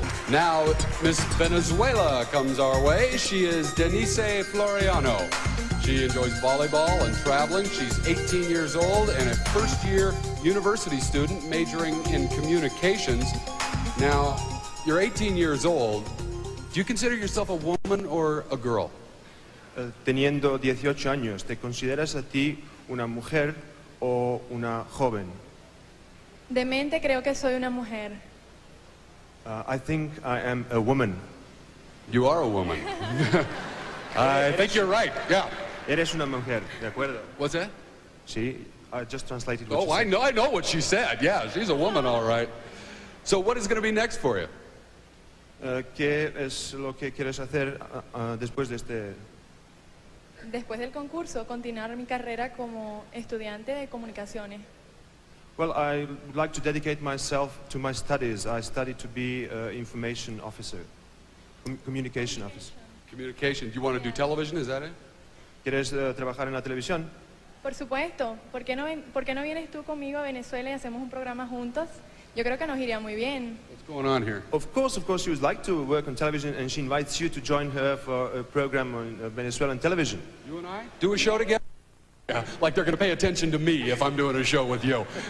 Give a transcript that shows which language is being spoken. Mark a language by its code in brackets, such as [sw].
[en] Now, Miss Venezuela comes our way. She is Denyse Floreano. She enjoys volleyball and traveling. She's 18 years old and a first-year university student majoring in communications. Now, you're 18 years old. Do you consider yourself a woman or a girl? [es] Teniendo 18 años, ¿te consideras a ti una mujer o una joven? De mente creo que soy una mujer. [en] I think I am a woman. You are a woman. I think you're right, yeah. [es] Eres una mujer, de acuerdo. [en] What's that? Sí, I just translated what she said. I know what she said. Yeah, she's a woman, all right. So what is going to be next for you? [es] ¿Qué es lo que quieres hacer después de este...? Después del concurso, continuar mi carrera como estudiante de comunicaciones. [en] Well, I would like to dedicate myself to my studies. I study to be an information officer, communication officer. Communication. Do you want to do television? Is that it? [es] ¿Quieres trabajar en la televisión? Por supuesto. ¿Por qué no vienes tú conmigo a Venezuela y hacemos un programa juntos? Yo creo que nos iría muy bien. [en] What's going on here? Of course, she would like to work on television, and she invites you to join her for a program on Venezuelan television. You and I? Do a show together? Yeah, like they're going to pay attention to me if I'm doing a show with you.